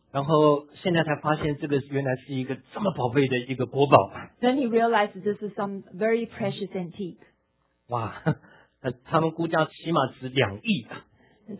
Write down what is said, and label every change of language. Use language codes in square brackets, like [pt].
[zh] 然后现在才发现这个原来是一个这么宝贝的一个国宝。 [en] Then he realized this is some very precious antique. [zh] 哇，他们估价起码值2亿。 [en] He